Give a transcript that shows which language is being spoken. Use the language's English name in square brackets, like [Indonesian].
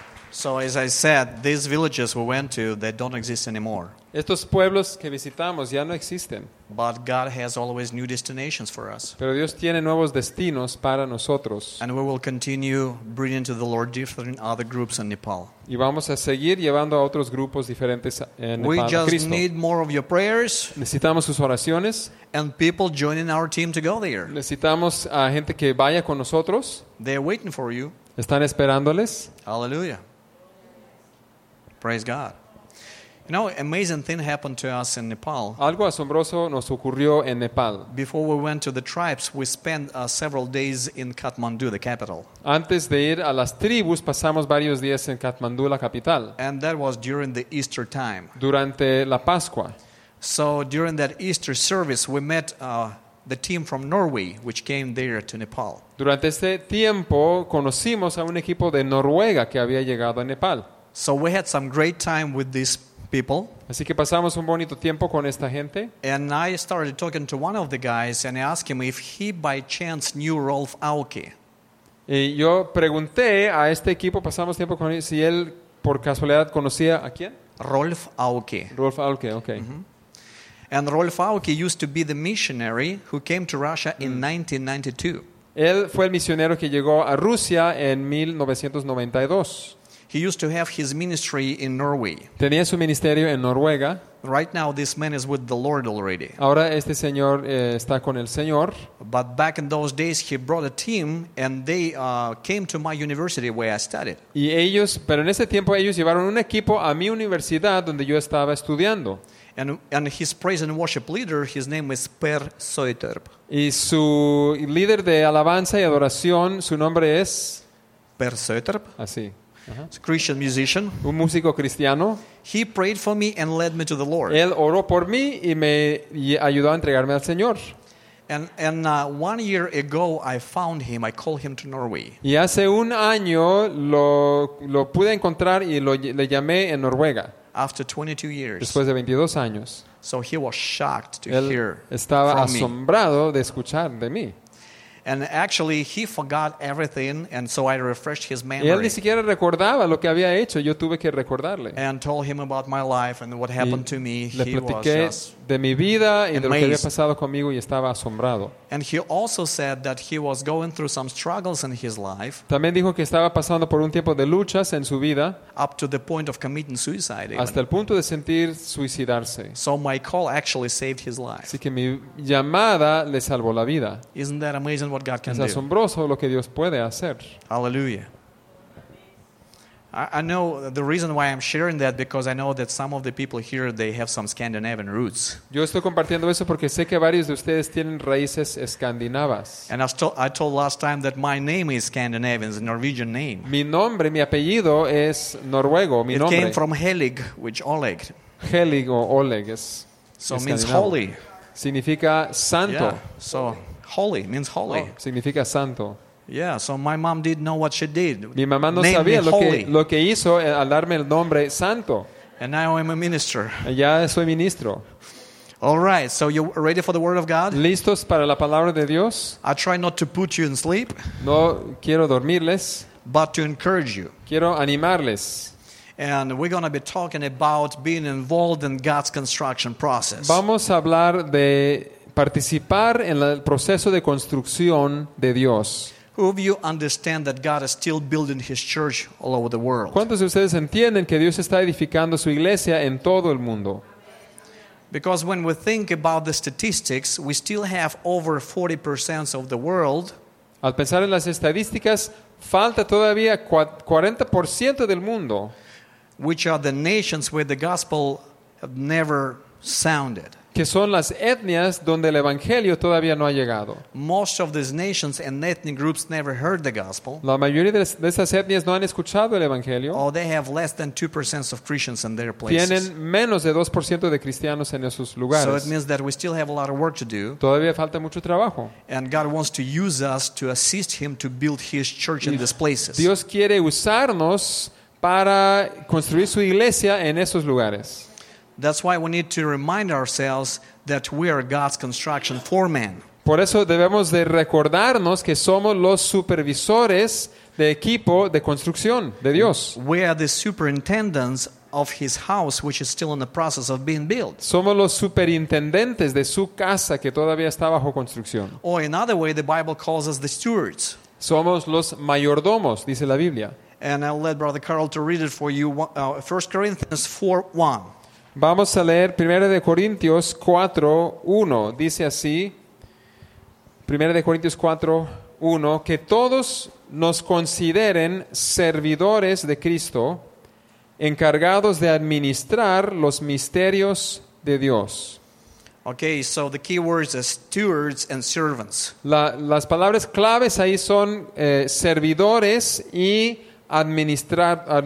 [English] So as I said, these villages we went to, they don't exist anymore. [Spanish] Estos pueblos que visitamos ya no existen. [English] But God has always new destinations for us. [Spanish] Pero Dios tiene nuevos destinos para nosotros. [English] And we will continue bringing to the Lord different other groups in Nepal. [Spanish] Y vamos a seguir llevando a otros grupos diferentes en Nepal. [English] We just need more of your prayers. [Spanish] Necesitamos sus oraciones. [English] And people joining our team to go there. [Spanish] Necesitamos a gente que vaya con nosotros. [English] They're waiting for you. [Spanish] Están esperándoles. [English] Hallelujah. Praise God. You know, amazing thing happened to us in Nepal. [Spanish] Algo asombroso nos ocurrió en Nepal. [English] Before we went to the tribes, we spent several days in Kathmandu, the capital. [Spanish] Antes de ir a las tribus, pasamos varios días en Kathmandu, la capital. [English] And that was during the Easter time. [Spanish] Durante la Pascua. [English] So during that Easter service, we met the team from Norway, which came there to Nepal. [Spanish] Durante este tiempo, conocimos a un equipo de Noruega que había llegado a Nepal. [English] So we had some great time with these people. [Spanish] Así que pasamos un bonito tiempo con esta gente. [English] And I started talking to one of the guys and I asked him if he by chance knew Rolf Auke. [Spanish] Y yo pregunté a este equipo, pasamos tiempo con él, si él por casualidad conocía a quién. Rolf Auke. [English] Rolf Auke, okay. Mm-hmm. And Rolf Auke used to be the missionary who came to Russia in 1992. [Spanish] Él fue el misionero que llegó a Rusia en 1992. [English] He used to have his ministry in Norway. [Spanish] Tenía su ministerio en Noruega. [English] Right now, this man is with the Lord already. [Spanish] Ahora este señor está con el Señor. [English] But back in those days, he brought a team, and they came to my university where I studied. [Spanish] Y ellos, pero en ese tiempo ellos llevaron un equipo a mi universidad donde yo estaba estudiando. [English] And his praise and worship leader, his name is Per Soiterp. [Spanish] Y su líder de alabanza y adoración, su nombre es Per Soiterp. Así. [English] It's a Christian musician. [Spanish] Un músico cristiano. [English] He prayed for me and led me to the Lord. [Spanish] Él oró por mí y me ayudó a entregarme al Señor. [English] And 1 year ago, I found him. I called him to Norway. [Spanish] Y hace un año lo pude encontrar y le llamé en Noruega. [English] After 22 years. [Spanish] Después de 22 años. [English] So he was shocked to [Spanish] él [English] hear. [Spanish] Estaba [English] from [Spanish] asombrado [English] me. [Spanish] De escuchar de mí. [English] And actually, he forgot everything, and so I refreshed his memory. [Spanish] Él ni siquiera recordaba lo que había hecho. Yo tuve que recordarle. [English] And told him about my life and what happened to me. [Spanish] Le platiqué de mi vida y de lo que había pasado conmigo y estaba asombrado. [English] And he also said that he was going through some struggles in his life. [Spanish] También dijo que estaba pasando por un tiempo de luchas en su vida. [English] Up to the point of committing suicide. Even. [Spanish] Hasta el punto de sentir suicidarse. [English] So my call actually saved his life. [Spanish] Así que mi llamada le salvó la vida. [English] Isn't that amazing? What God can [Spanish] es asombroso [English] do. [Spanish] Lo que Dios puede hacer. [English] Hallelujah. I know the reason why I'm sharing that because I know that some of the people here they have some Scandinavian roots. [Spanish] Yo estoy compartiendo eso porque sé que varios de ustedes tienen raíces escandinavas. [English] And I told last time that my name is Scandinavian, it's a Norwegian name. [Spanish] Mi nombre, mi apellido es noruego. Mi [English] it [Spanish] nombre. [English] Came from Helig, which Oleg. [Spanish] Helig o Oleg es. [English] So means holy. [Spanish] Significa santo. [English] Yeah, so. Holy means holy. [Spanish] Oh, significa santo. [English] Yeah, so my mom didn't know what she did. [Spanish] Mi mamá no named sabía lo que hizo al darme el nombre santo. [English] And now I'm a minister. [Spanish] Ya soy ministro. [English] All right, so you ready for the word of God? [Spanish] ¿Listos para la palabra de Dios? [English] I try not to put you in sleep. [Spanish] No quiero dormirles. [English] But to encourage you. [Spanish] Quiero animarles. [English] And we're going to be talking about being involved in God's construction process. [Spanish] Vamos a hablar de participar en el proceso de construcción de Dios. [English] Who of you understand that God is still building His church all over the world? [Spanish] ¿Cuántos de ustedes entienden que Dios está edificando su iglesia en todo el mundo? [English] Because when we think about the statistics, we still have over 40% of the world. [Spanish] Al pensar en las estadísticas, falta todavía 40% del mundo. [English] Which are the nations where the gospel have never sounded. [Spanish] que son las etnias donde el evangelio todavía no ha llegado. [English] Most of these nations and ethnic groups never heard the gospel. [Spanish] La mayoría de esas etnias no han escuchado el evangelio. [English] Or they have less than 2% of Christians in their places. [Spanish] Tienen menos de 2% de cristianos en esos lugares. [English] So it means that we still have a lot of work to do. [Spanish] Todavía falta mucho trabajo. [English] And God wants to use us to assist Him to build His church in these places. [Spanish] Dios quiere usarnos para construir su iglesia en esos lugares. [English] That's why we need to remind ourselves that we are God's construction foreman. [Spanish] Por eso debemos de recordarnos que somos los supervisores de equipo de construcción de Dios. [English] We are the superintendents of His house, which is still in the process of being built. [Spanish] Somos los superintendentes de su casa que todavía está bajo construcción. [English] Or in another way, the Bible calls us the stewards. [Spanish] Somos los mayordomos, dice la Biblia. [English] And I'll let Brother Carl to read it for you, 1 Corinthians 4:1. [Spanish] Vamos a leer 1 Corintios 4:1. Dice así, 1 Corintios 4:1, que todos nos consideren servidores de Cristo, encargados de administrar los misterios de Dios. [English] Okay, so the key words are stewards and servants. [Spanish] Las palabras claves ahí son servidores y administrar.